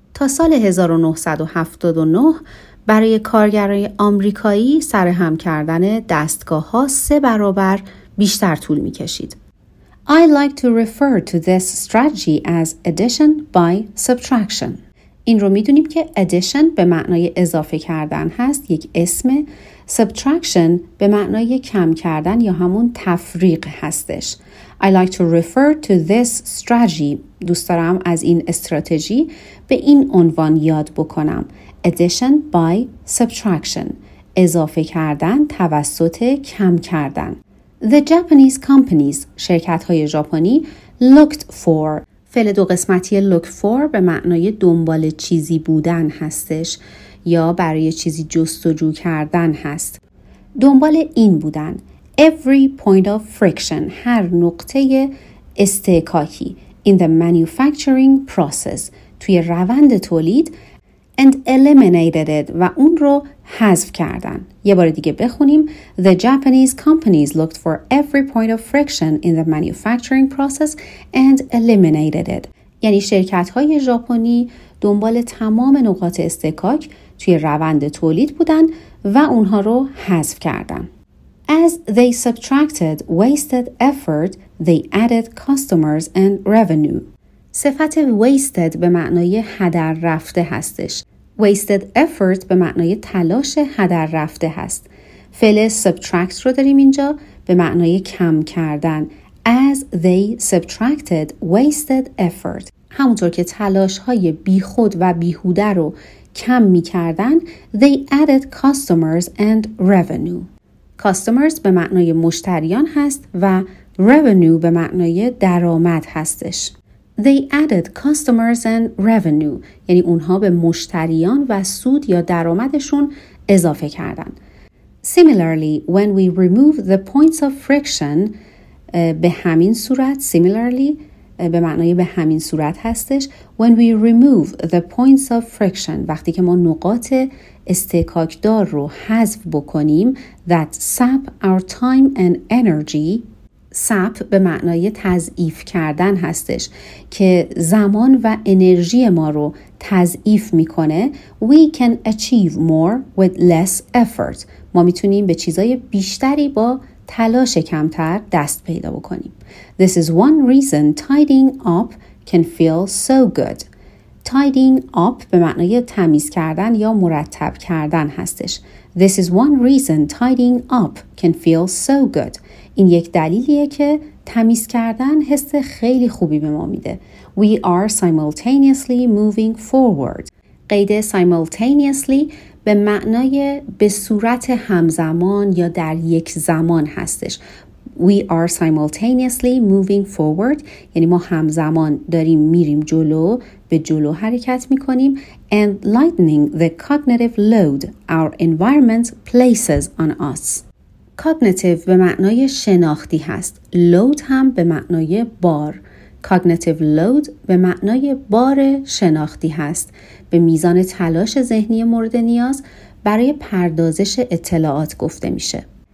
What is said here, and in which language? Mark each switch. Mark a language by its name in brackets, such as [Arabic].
[Persian] تا سال 1979 برای کارگران آمریکایی سرهم کردن دستگاه‌ها 3 برابر بیشتر طول می‌کشید. [English] I like to refer to this strategy as addition by subtraction. [Persian] این رو میدونیم که addition به معنای اضافه کردن هست، یک اسم. Subtraction به معنای کم کردن یا همون تفریق هستش. [English] I like to refer to this strategy. [Persian] دوست دارم از این استراتژی به این عنوان یاد بکنم. [English] Addition by subtraction. [Persian] اضافه کردن توسط کم کردن. [English] The Japanese companies, [Persian] شرکت‌های ژاپنی, [English] looked for. [Persian] فعل دو قسمتی look for به معنای دنبال چیزی بودن هستش یا برای چیزی جستجو کردن هست. دنبال این بودن. [English] Every point of friction, [Persian] هر نقطه استکاکی. [English] In the manufacturing process, [Persian] توی روند تولید [English] and eliminated it [Persian] و اون رو حذف کردن. یه بار دیگه بخونیم: [English] The Japanese companies looked for every point of friction in the manufacturing process and eliminated it. [Persian] یعنی شرکت‌های ژاپنی دنبال تمام نقاط اصطکاک توی روند تولید بودن و اونها رو حذف کردن. [English] As they subtracted wasted effort, they added customers and revenue. [Persian] صفت wasted به معنای هدر رفته هستش. Wasted effort به معنای تلاش هدر رفته هست. فعل subtract رو داریم اینجا به معنای کم کردن. [English] As they subtracted wasted effort. [Persian] همونطور که تلاش های بی خود و بیهوده رو کم می کردن, [English] they added customers and revenue. [Persian] Customers به معنای مشتریان هست و revenue به معنای درآمد هستش. [English] They added customers and revenue. [Persian] یعنی اونها به مشتریان و سود یا درآمدشون اضافه کردن. [English] Similarly, when we remove the points of friction, [Persian] به همین صورت, [English] similarly, [Persian] به معنای به همین صورت هستش. [English] When we remove the points of friction, [Persian] وقتی که ما نقاط استکاکدار رو حذف بکنیم, [English] that sap our time and energy. [Persian] سپ به معنای تضعیف کردن هستش که زمان و انرژی ما رو تضعیف میکنه. [English] We can achieve more with less effort. [Persian] ما میتونیم به چیزای بیشتری با تلاش کمتر دست پیدا بکنیم. [English] This is one reason tidying up can feel so good. [Persian] Tidying up به معنای تمیز کردن یا مرتب کردن هستش. [English] This is one reason tidying up can feel so good. [Persian] این یک دلیلیه که تمیز کردن حس خیلی خوبی به ما میده. [English] We are simultaneously moving forward. [Persian] قید simultaneously به معنای به صورت همزمان یا در یک زمان هستش. [English] We are simultaneously moving forward. [Persian] یعنی ما همزمان داریم میریم جلو, به جلو حرکت میکنیم. [English] And lightening the cognitive load our environment places on us. [Persian] Cognitive به معنای شناختی هست. Load هم به معنای بار. Cognitive load به معنای بار شناختی هست. به میزان تلاش ذهنی مورد نیاز برای پردازش اطلاعات گفته میشه.